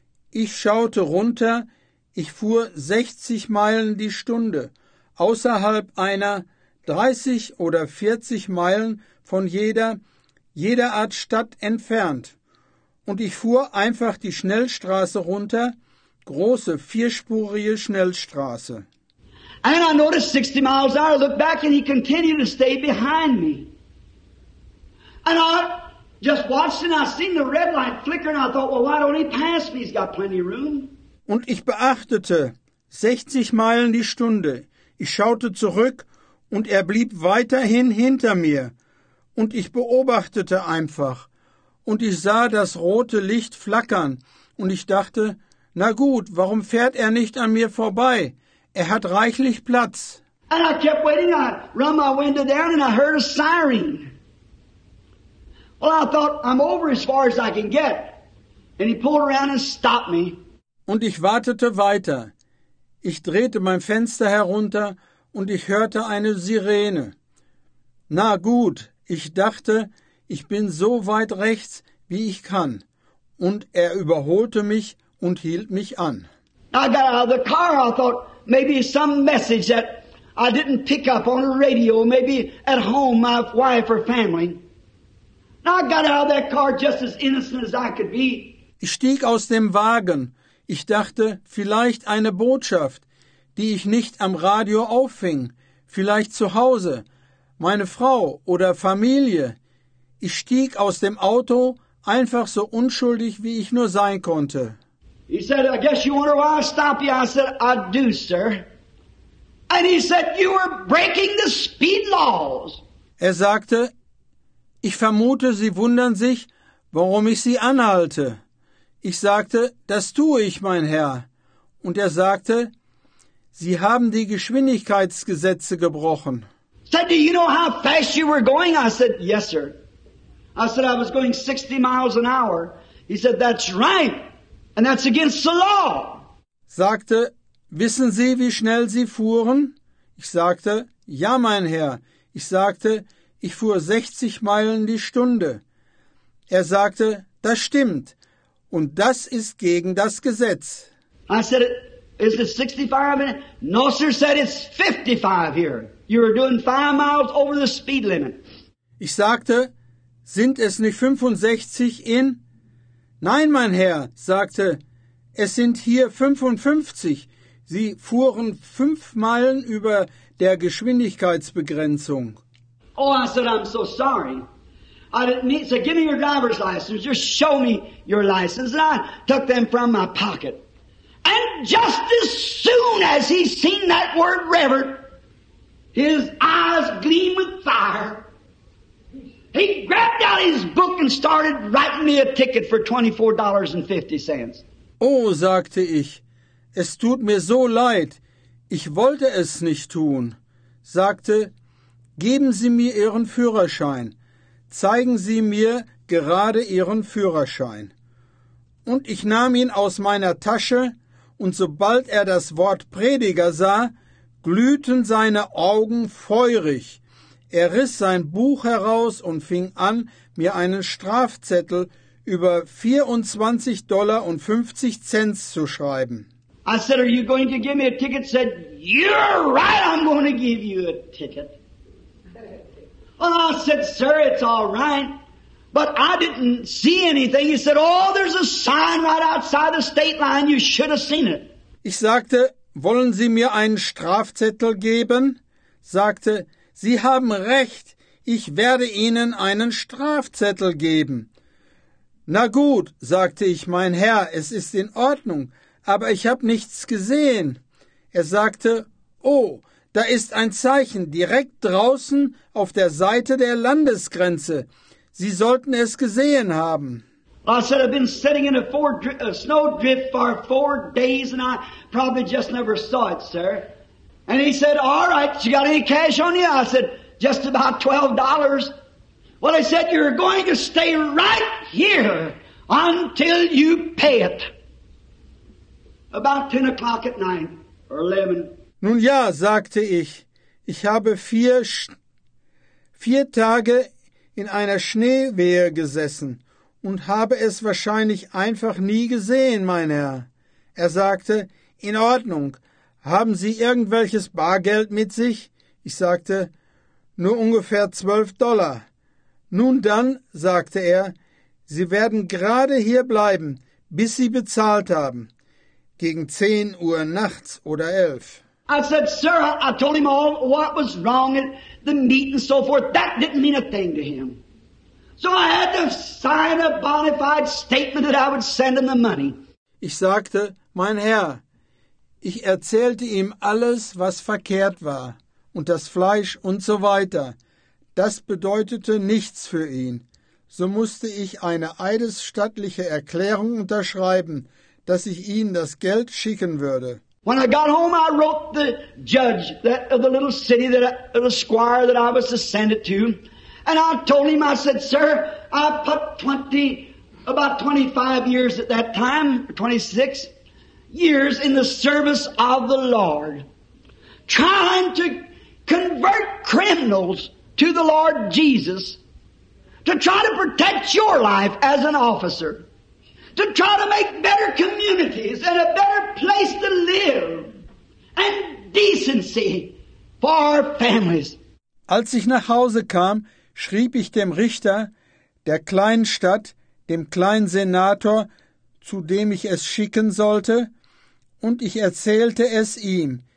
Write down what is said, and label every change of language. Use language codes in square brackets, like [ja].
[de] Ich schaute runter, ich fuhr 60 Meilen die Stunde, außerhalb einer 30 oder 40 Meilen von jeder Art Stadt entfernt. Und ich fuhr einfach die Schnellstraße runter, große vierspurige Schnellstraße. [en] And I noticed 60 miles out, I looked back and he continued to stay behind me. And I just watched and I seen the red light flicker and I thought, well, why don't he pass me? He's got plenty of room. [de] Und ich beachtete 60 Meilen die Stunde. Ich schaute zurück und er blieb weiterhin hinter mir. Und ich beobachtete einfach. Und ich sah das rote Licht flackern. Und ich dachte, na gut, warum fährt er nicht an mir vorbei? Er hat reichlich Platz. [en] And I kept waiting. I run my window down and I heard a siren. Well, I thought, I'm over as far as I can get. And he pulled around and stopped me. [de] Und ich wartete weiter. Ich drehte mein Fenster herunter und ich hörte eine Sirene. Na gut, ich dachte, ich bin so weit rechts, wie ich kann. Und er überholte mich und hielt mich an. [en] I got out of the car, I thought, maybe some message that I didn't pick up on a radio, maybe at home, my wife or family. I got out of that car just as innocent as I could be. [de] Ich stieg aus dem Wagen. Ich dachte, vielleicht eine Botschaft, die ich nicht am Radio auffing. Vielleicht zu Hause, meine Frau oder Familie. Ich stieg aus dem Auto, einfach so unschuldig, wie ich nur sein konnte. [en] He said, I guess you wonder why I stop you. I said, I do, sir. And he said, you were breaking the speed laws. [de] Er sagte, ich vermute, Sie wundern sich, warum ich Sie anhalte. Ich sagte, das tue ich, mein Herr. Und er sagte, Sie haben die Geschwindigkeitsgesetze gebrochen. [en] Said, do you know how fast you were going? I said, yes, sir. I said, I was going 60 miles an hour. He said, that's right. And that's against the law. [de] Sagte, wissen Sie, wie schnell Sie fuhren? Ich sagte, ja, mein Herr. Ich sagte, ich fuhr 60 Meilen die Stunde. Er sagte, das stimmt. Und das ist gegen das Gesetz. [en] I said, Is it 65 minutes? No, sir, said it's 55 here. You were doing 5 miles over the speed limit. [de] Ich sagte, sind es nicht 65 in? Nein, mein Herr, sagte, es sind hier 55. Sie fuhren 5 Meilen über der Geschwindigkeitsbegrenzung. [en] Oh, I said, I'm so sorry. I didn't mean, so give me your driver's license. Just show me your license. And I took them from my pocket. And just as soon as he seen that word reverend, his eyes gleamed with fire. He grabbed out his book and started writing me a ticket for $24.50. [de] Oh, sagte ich, es tut mir so leid. Ich wollte es nicht tun. Sagte, geben Sie mir Ihren Führerschein. Zeigen Sie mir gerade Ihren Führerschein. Und ich nahm ihn aus meiner Tasche, und sobald er das Wort Prediger sah, glühten seine Augen feurig. Er riss sein Buch heraus und fing an, mir einen Strafzettel über $24.50 zu schreiben. [en] I said, are you going to give me a ticket? Said, you're right, I'm going to give you a ticket. Well, I said, sir, it's all right, but I didn't see anything. He said, oh, there's a sign right outside the state line. You should have seen it. [de] Ich sagte, wollen Sie mir einen Strafzettel geben? Sagte, Sie haben recht, ich werde Ihnen einen Strafzettel geben. Na gut, sagte ich, mein Herr, es ist in Ordnung, aber ich habe nichts gesehen. Er sagte, oh, da ist ein Zeichen direkt draußen auf der Seite der Landesgrenze. Sie sollten es gesehen haben. [en] I said, I've been sitting in a snow drift for 4 days and I probably just never saw it, sir. And he said, all right, you got any cash on you? I said, just about $12. Well, I said, you're going to stay right here until you pay it. About 10 o'clock at night, or 11. [de] Nun ja, sagte ich, ich habe vier Tage in einer Schneewehe gesessen und habe es wahrscheinlich einfach nie gesehen, mein Herr. Er sagte, in Ordnung, haben Sie irgendwelches Bargeld mit sich? Ich sagte, nur ungefähr $12. Nun dann, sagte er, Sie werden gerade hier bleiben, bis Sie bezahlt haben, gegen 10 Uhr nachts oder 11. [en] I said, sir, I told him all what was wrong and the meat and so forth. That didn't mean a thing to him. So I had to sign a bona fide statement that I would send him the money. [de] Ich sagte, mein Herr, ich erzählte ihm alles, was verkehrt war, und das Fleisch und so weiter. Das bedeutete nichts für ihn. So musste ich eine eidesstattliche Erklärung unterschreiben, dass ich ihm das Geld schicken würde. [en] When I got home, I wrote the judge that, of the little city, that I, the squire that I was to send it to. And I told him, I said, sir, I put about 25 years at that time, 26 years in the service of the Lord, trying to convert criminals to the Lord Jesus, to try to protect your life as an officer, to try to make better communities and a better place to live and decency for our families. [de] Als ich nach Hause kam, schrieb ich dem Richter der kleinen Stadt, dem kleinen Senator, zu dem ich es schicken sollte, und ich erzählte es ihm.